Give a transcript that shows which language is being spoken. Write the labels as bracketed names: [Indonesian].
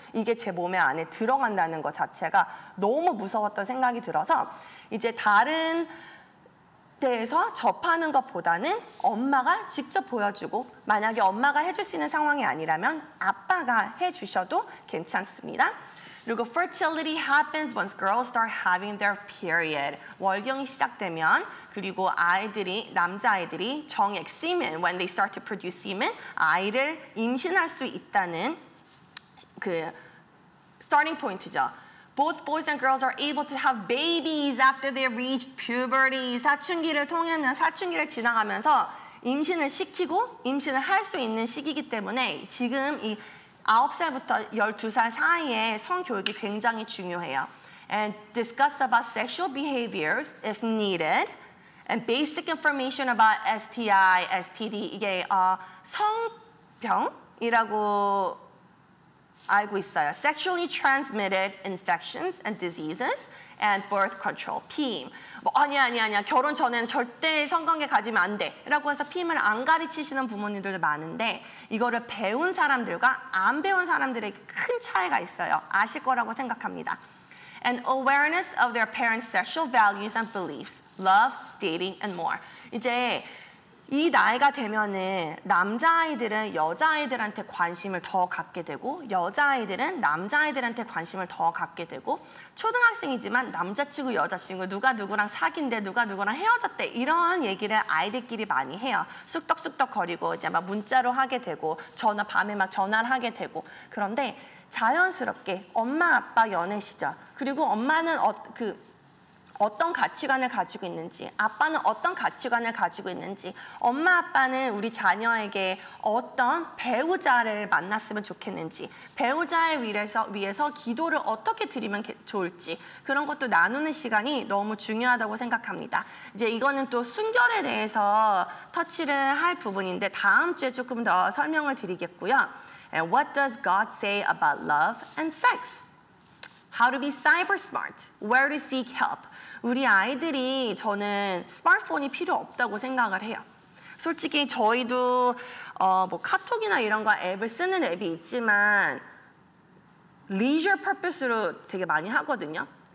[Korean] 이게 제 몸에 안에 들어간다는 것 자체가 너무 무서웠던 생각이 들어서 이제 다른 데에서 접하는 것보다는 엄마가 직접 보여주고 만약에 엄마가 해줄 수 있는 상황이 아니라면 아빠가 해주셔도 괜찮습니다. 그리고 [English] fertility happens once girls start having their period. [Korean] 월경이 시작되면 그리고 아이들이 남자아이들이 정액 [English] semen when they start to produce semen [Korean] 아이를 임신할 수 있다는 그 starting point이죠. [English] Both boys and girls are able to have babies after they reach puberty. [Korean] 사춘기를 지나가면서 임신을 시키고 임신을 할 수 있는 시기이기 때문에 지금 이 9살부터 12살 사이에 성교육이 굉장히 중요해요. [English] And discuss about sexual behaviors if needed. And basic information about STI, STD. [Korean] 이게 성병이라고 알고 있어요. [English] Sexually transmitted infections and diseases. And birth control, PIM. [Korean] 뭐, 아니야. 결혼 전에는 절대 성관계 가지면 안 돼. 라고 해서 PIM을 안 가르치시는 부모님들도 많은데 이거를 배운 사람들과 안 배운 사람들의 큰 차이가 있어요. 아실 거라고 생각합니다. [English] And awareness of their parents' sexual values and beliefs. Love, dating, and more. [Korean] 이제 이 나이가 되면은 남자아이들은 여자아이들한테 관심을 더 갖게 되고 여자아이들은 남자아이들한테 관심을 더 갖게 되고 초등학생이지만 남자친구 여자친구 누가 누구랑 사귄대 누가 누구랑 헤어졌대 이런 얘기를 아이들끼리 많이 해요. 쑥덕쑥덕거리고 이제 막 문자로 하게 되고 전화 밤에 막 전화를 하게 되고 그런데 자연스럽게 엄마 아빠 연애 시절 그리고 엄마는 어떤 가치관을 가지고 있는지 아빠는 어떤 가치관을 가지고 있는지 엄마 아빠는 우리 자녀에게 어떤 배우자를 만났으면 좋겠는지 배우자에 위해서 기도를 어떻게 드리면 좋을지 그런 것도 나누는 시간이 너무 중요하다고 생각합니다. 이제 이거는 또 순결에 대해서 터치를 할 부분인데 다음 주에 조금 더 설명을 드리겠고요. [English] What does God say about love and sex? How to be cyber smart? Where to seek help? [Korean] 우리 아이들이 저는 스마트폰이 필요 없다고 생각을 해요. 솔직히 저희도 뭐 카톡이나 이런 거 앱을 쓰는 앱이 있지만 [English] leisure purpose [Korean] 로 되게 많이 하거든요.